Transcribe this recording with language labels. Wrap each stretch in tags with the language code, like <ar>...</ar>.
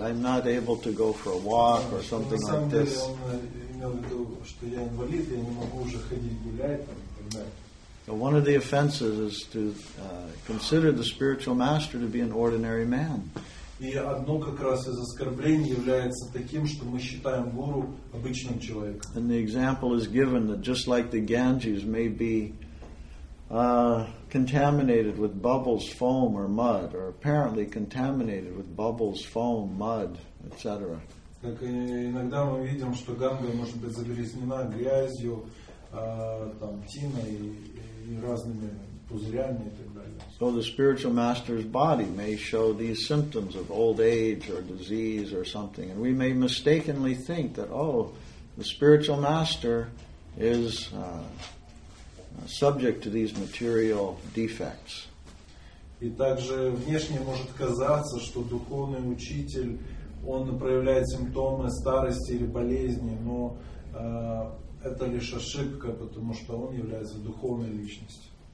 <en>I'm not able to go for a walk or something like this.</en> <ru>На самом деле он имел в виду, что я инвалид, я не могу уже ходить гулять там, и так далее.</ru> <en>One of the offenses is to consider the spiritual master to be an ordinary man.</en> <ru>И одно как раз из оскорблений является таким, что мы считаем гуру обычным человеком.</ru> <en>And the example is given that just like the Ganges may be contaminated with bubbles, foam, or mud, or apparently contaminated with bubbles, foam, mud, etc.</en> <ru>Как иногда мы видим, что Ганга может быть загрязнена грязью, там тиной и разными пузырями и так далее.</ru> <en>So the spiritual master's body may show these symptoms of old age or disease or something, and we may mistakenly think that, oh, the spiritual master is subject to these material defects.</en> <ru>И также внешне может казаться, что духовный учитель, он проявляет симптомы старости или болезни, но это лишь ошибка, потому что он является духовной личностью.</ru>